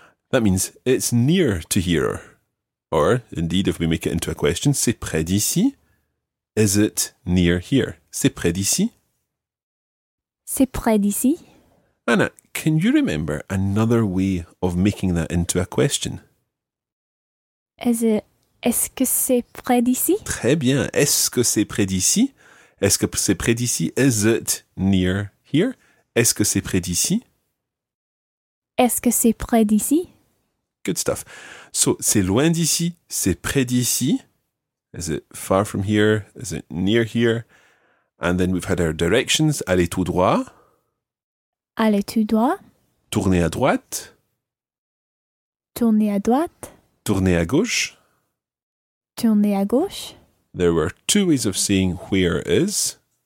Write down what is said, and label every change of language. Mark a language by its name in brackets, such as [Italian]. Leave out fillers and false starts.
[English] That means it's near to here. Or, indeed, if we make it into a question, [French] c'est près d'ici? [English] Is it near here? [French] C'est près d'ici? C'est près d'ici. [English] Anna, can you remember another way of making that into a question? [French] Est-ce que c'est près d'ici? Très bien. Est-ce que c'est près d'ici? Est-ce que c'est près d'ici? [English] Is it near here? [French] Est-ce que c'est près d'ici? Est-ce que c'est près d'ici? [English] Good stuff. [French] So, c'est loin d'ici, c'est près d'ici. [English] Is it far from here? Is it near here? And then we've had our directions. [French] Allez tout droit. Allez tout droit. Tournez à droite. Tournez à droite. Tournez à gauche. Tournez à gauche. [English] There were two ways of saying where is.